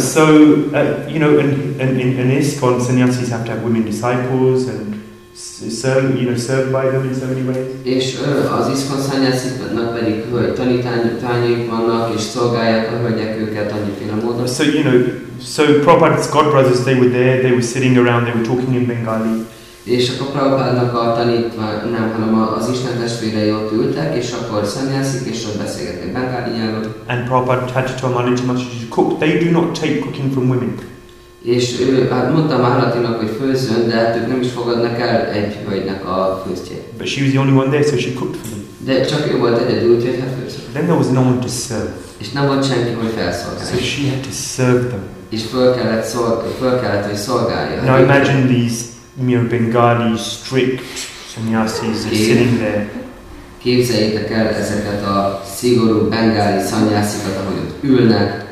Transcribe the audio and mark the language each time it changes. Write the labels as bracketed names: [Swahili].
[English] So you know, in ISKCON, sannyasis have to have women disciples and. Served by them in so many ways. [Hungarian] És az ISKCON szanyásziknak pedig tanítványaik vannak, és szolgálják a hölgyek őket annyiféle módon. [English] So, you know, so Prabhupada's godbrothers, they were there, they were sitting around, they were talking in Bengali. [Hungarian] És akkor Prabhupada-nak a tanítvány, nem, hanem az Isten testvérei ott ültek, és akkor szanyászik, és ott beszélgetnek bengáli nyelven. [English] And Prabhupada had to tell Malaji Maharaj to cook. They do not take cooking from women. [Hungarian] És ő, hát mondta Málatinak, hogy főzzön, de hát ők nem is fogadnak el egy hölgynek a főztjét. [English] But she was the only one there, so she cooked for them. [Hungarian] De csak ő volt egyedül, úgyhogy hát főzzön. [English] Then there was no one to serve. [Hungarian] És nem volt senki, hogy felszolgálja. [English] So she had to serve them. [Hungarian] És föl kellett, hogy szolgálja. [English] Now imagine these, you know, Bengali strict sannyasis sitting there. [Hungarian] Képzeljétek el ezeket a szigorú bengáli sannyasikat, ahogy ott ülnek.